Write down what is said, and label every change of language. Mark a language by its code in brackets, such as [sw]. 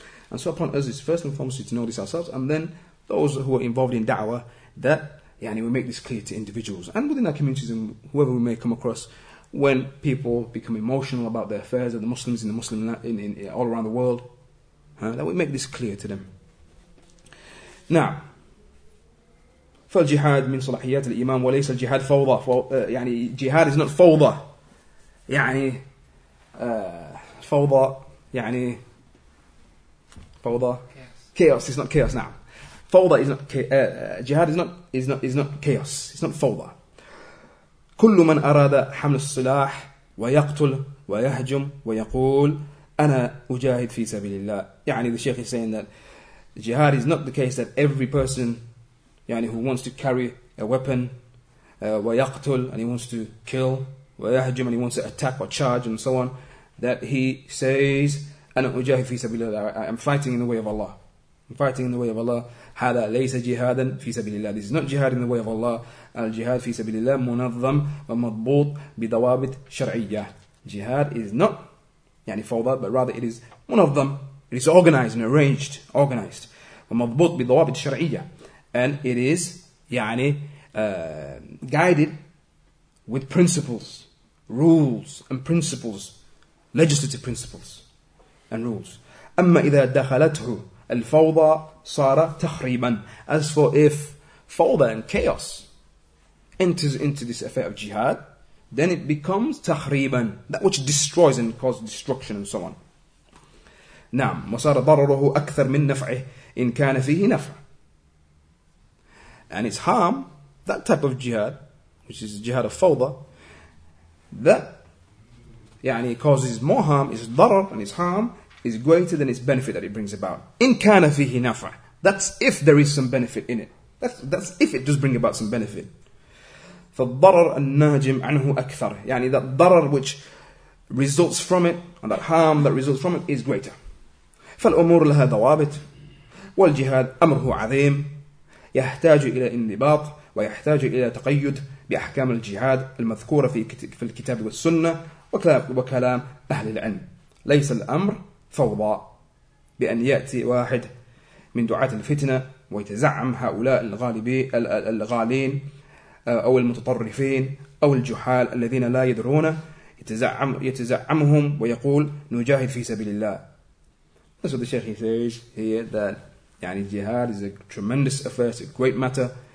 [en] And so upon us is first and foremost to know this ourselves, and then those who are involved in da'wah, that yani, we make this clear to individuals and within our communities and whoever we may come across. When people become emotional about the affairs of the Muslims in the Muslim in all around the world, that we make this clear to them. [ar] Now, فالجهاد من صلاحيات الإمام وليس الجهاد فوضى. يعني جهاد is not فوضى. يعني فوضى يعني فوضى chaos. [en] It's not chaos. Now, فوضى is not جهاد is not chaos. It's not فوضى. [ar] كل من أراد حمل الصلاح ويقتل ويهجم ويقول أنا أجاهد في سبيل الله. [en] يعني the Sheikh is saying that jihad is not the case that every person يعني who wants to carry a weapon ويقتل, and he wants to kill ويهجم, and he wants to attack or charge and so on, that he says [ar] أنا أجاهد في سبيل الله, [en] I'm fighting in the way of Allah, I'm fighting in the way of Allah. [ar] هذا ليس جهادا في سبيل الله. [en] This is not jihad in the way of Allah. [ar] الجهاد في سبيل الله منظم ومضبوط بضوابط شرعية. [en] Jihad is not يعني فوضى, but rather it is منظم, it is organized and arranged, organized [ar] ومضبوط بضوابط شرعية. [en] And it is يعني, guided with principles, rules and principles, legislative principles and rules. [ar] أما إذا دخلته الفوضى صار تخريبا. [en] As for if folder and chaos enters into this affair of jihad, then it becomes tahriban, that which destroys and causes destruction and so on. [ar] نعم مصار ضرره أكثر من نفعه إن كان فيه نفع. [en] And its harm, that type of jihad, which is jihad of fawda, that يعني causes more harm, its ضرر and its harm is greater than its benefit that it brings about. [ar] إن كان فيه نفع. [en] That's if there is some benefit in it. That's if it does bring about some benefit. [ar] فالضرر الناجم عنه أكثر. [en] يعني that ضرر which results from it, and that harm that results from it is greater. [ar] فالأمور لها ضوابط والجهاد أمره عظيم يحتاج إلى انضباط ويحتاج إلى تقيد بأحكام الجهاد المذكورة في الكتاب والسنة وكلام أهل العلم ليس الأمر فوضى بأن يأتي واحد من دعاة الفتنة ويتزعم هؤلاء الغالين أو المتطرفين أو الجحال الذين لا يدرون يتزعمهم ويقول نجاهد في سبيل الله. [en] So the Sheikh, he says here that يعني, jihad is a tremendous affair, it's a great matter.